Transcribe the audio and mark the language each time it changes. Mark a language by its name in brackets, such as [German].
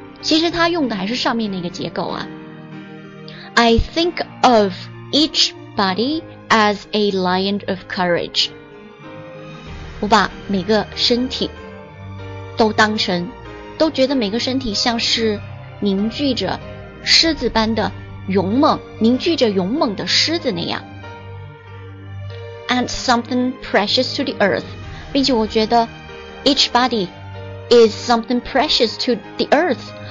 [Chinese] 其实它用的还是上面那个结构啊。 [English] I think of each body as a lion of courage. [Chinese] 我把每个身体都当成，都觉得每个身体像是凝聚着狮子般的勇猛，凝聚着勇猛的狮子那样。 [English] And something precious to the earth. [Chinese] 并且我觉得 [English] each body is something precious to the earth.